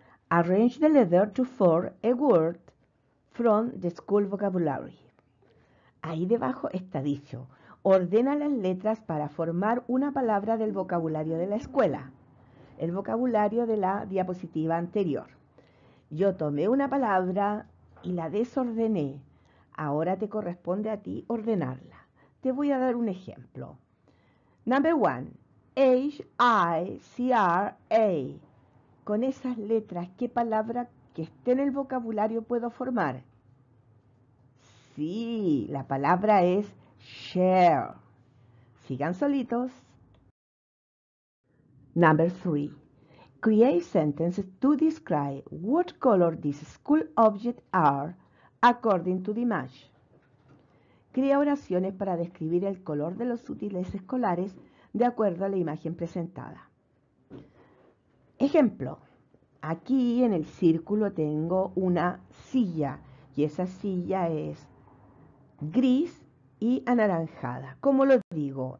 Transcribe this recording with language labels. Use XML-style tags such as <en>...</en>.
<en>Arrange the letter to form a word from the school vocabulary.</en> <es>Ahí debajo está dicho. Ordena las letras para formar una palabra del vocabulario de la escuela. El vocabulario de la diapositiva anterior. Yo tomé una palabra y la desordené. Ahora te corresponde a ti ordenarla. Te voy a dar un ejemplo.</es> <en>Number 1. H-I-C-R-A.</en> <es>Con esas letras, ¿qué palabra que esté en el vocabulario puedo formar? Sí, la palabra es share. Sigan solitos.</es> <en>Number 3. Create sentences to describe what color these school objects are according to the image.</en> <es>Crea oraciones para describir el color de los útiles escolares de acuerdo a la imagen presentada. Ejemplo, aquí en el círculo tengo una silla y esa silla es gris y anaranjada. ¿Cómo lo digo?</es>